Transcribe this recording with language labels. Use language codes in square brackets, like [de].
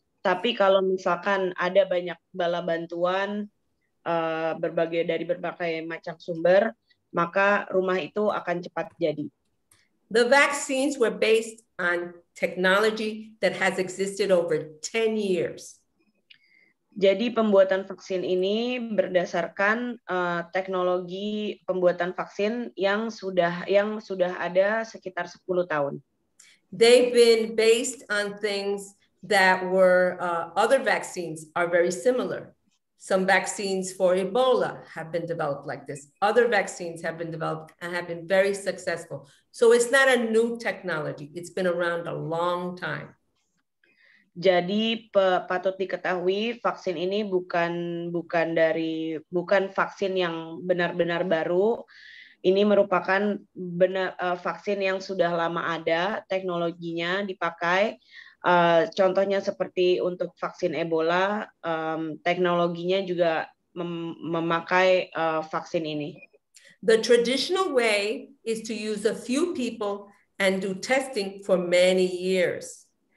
[id] Tapi kalau misalkan ada banyak bala bantuan berbagai macam sumber, maka rumah itu akan cepat jadi. [en] The vaccines were based on technology that has existed over 10 years. [id] Jadi pembuatan vaksin ini berdasarkan teknologi pembuatan vaksin yang sudah ada sekitar 10 tahun. [en] They've been based on things that were other vaccines are very similar. Some vaccines for Ebola have been developed like this. Other vaccines have been developed and have been very successful. So it's not a new technology. It's been around a long time. [id] Jadi patut diketahui vaksin ini bukan vaksin yang benar-benar baru. Ini merupakan vaksin yang sudah lama ada teknologinya dipakai. Contohnya seperti untuk vaksin Ebola, teknologinya juga memakai vaksin ini. [en] The traditional way is to use a few people and do testing for many years.